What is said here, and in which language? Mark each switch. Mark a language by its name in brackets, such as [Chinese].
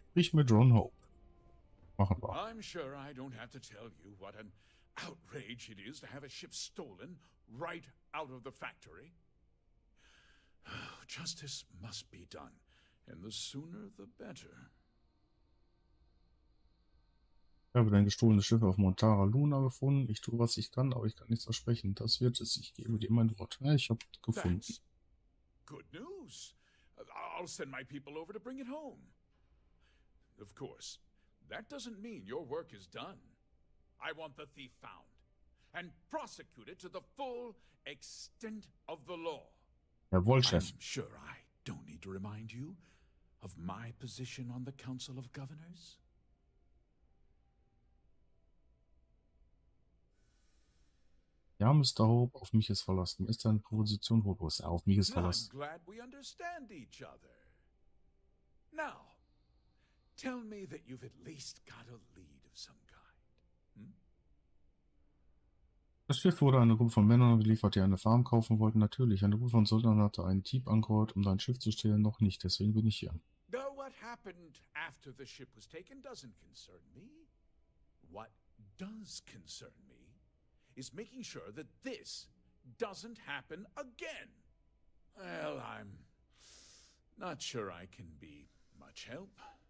[German] Ich mit Ron Hope. Machen wir. [English] I'm sure I don't have to tell you what an outrage it is to have a ship stolen right out of the factory. Justice must be done, and the sooner the better. [German] Ich habe dein gestohlenes Schiff auf Montara Luna gefunden. Ich tue, was ich kann, aber ich kann nichts versprechen. Das wird es. Ich gebe dir mein Wort. Ja, ich habe es gefunden. [English] That's good news. I'll send my people over to bring it home. Of course, that doesn't mean your work is done. I want the thief found and prosecuted to the full extent of the law. [German] Jawohl, Chef. [English] I'm sure I don't need to remind you of my position on the Council of Governors. [German] Ja, Mr. Hope, auf mich ist verlassen. Ist deine Position hoch? Ja, auf mich ist verlassen. [English] I'm glad we understand each other. Now, tell me that you've at least got a lead of some kind. [German] Das Schiff wurde einer Gruppe von Männern geliefert, die eine Farm kaufen wollten. Natürlich, eine Gruppe von Soldaten hatte einen Dieb angeheuert, um dein Schiff zu stehlen. Noch nicht, deswegen bin ich hier. [English] Though what happened after the ship was taken doesn't concern me. What does concern me is making sure that this doesn't happen again. Well, I'm not sure I can be much help.